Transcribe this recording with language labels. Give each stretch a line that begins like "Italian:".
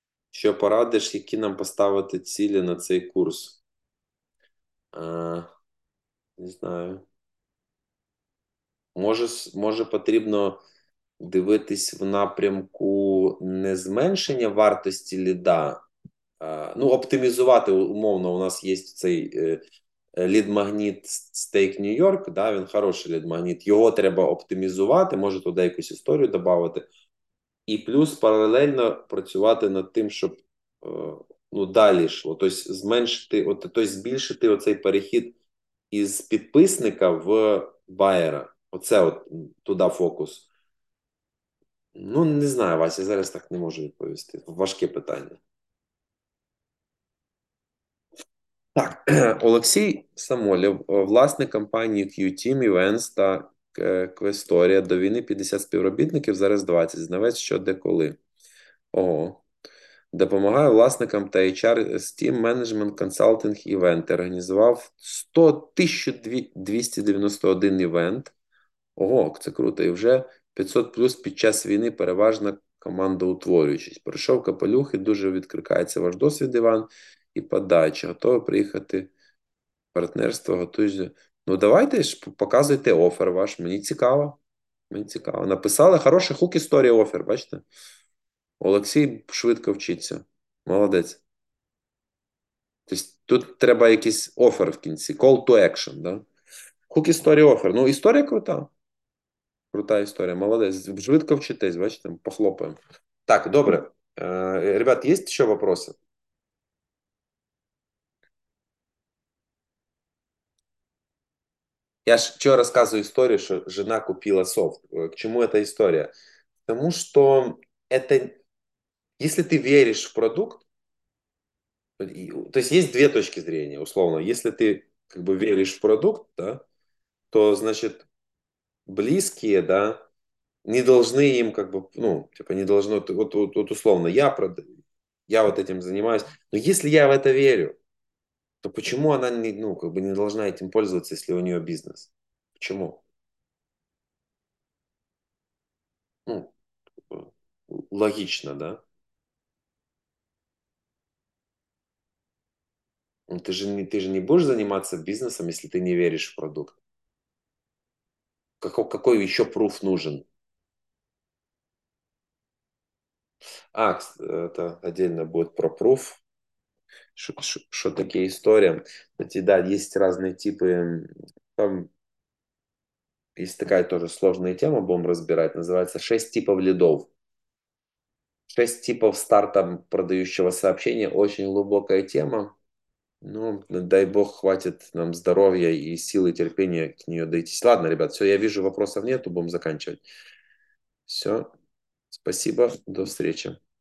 Ukrainian: Що порадиш, які нам поставити цілі на цей курс? Не знаю. Може потрібно дивитись в напрямку не зменшення вартості ліда, ну, оптимізувати умовно. У нас є цей лід-магніт Steak New York, да, він хороший лід-магніт. Його треба оптимізувати, може туди якусь історію додати. І плюс паралельно працювати над тим, щоб ну, далі йшло. Тобто зменшити, збільшити оцей перехід із підписника в байера. Оце от туди фокус. Ну, не знаю, Вася, зараз так не можу відповісти. Важке питання. Так, Олексій Самолєв, власник компанії Q-Team Events та Квесторія. До війни 50 співробітників, зараз 20. Знавець, що, де, коли. Ого. Допомагаю власникам та HR з Team Management Consulting Event. Організував 1291 івент. Ого, це круто. І вже 500 плюс під час війни, переважна команда утворюючись. Пройшов капелюхи, дуже відкликається ваш досвід, Іван, і подача. Готовий приїхати. Партнерство, готуюся. Ну, давайте ж показуйте офер ваш. Мені цікаво. Мені цікаво. Написали хороший хук історії офер, бачите? Олексій швидко вчиться. Молодець. Тобто тут треба якийсь офер в кінці. Call to action. Да? Хук історії офер. Ну, історія крута. Крута історія. Молодець. Швидко вчитесь, бачите? Похлопаємо. Так, добре. Ребят, є ще питання? Я ж чого розказую історію, що жена купила софт. К чому ця історія? Тому що якщо ти віриш в продукт, то є дві точки зрения, условно. Якщо ти как бы, віриш в продукт, да, то значить близькі, да, не должны їм, как бы, ну, типа, не должно, от условно,
Russian: я вот этим занимаюсь. Но если я в это верю, то почему она не, ну, как бы не должна этим пользоваться, если у нее бизнес? Почему? Логично, да? Ну, ты же не будешь заниматься бизнесом, если ты не веришь в продукт. Какой еще пруф нужен? А, это отдельно будет про пруф.
Ukrainian: Що таке історія? Тоді, да, є різні типи. Там є така теж складна тема, будемо розбирати. Називається «Шість типів лідів». «Шість типів старту продаючого сообщення». Дуже глибока тема. Ну, дай Бог, хватить нам здоров'я і сили, терпіння до неї дійтись.
Russian: Ладно, ребят, все, я вижу, вопросов нету,
Ukrainian: будемо закінчувати.
Russian: Все, спасибо, до встречи.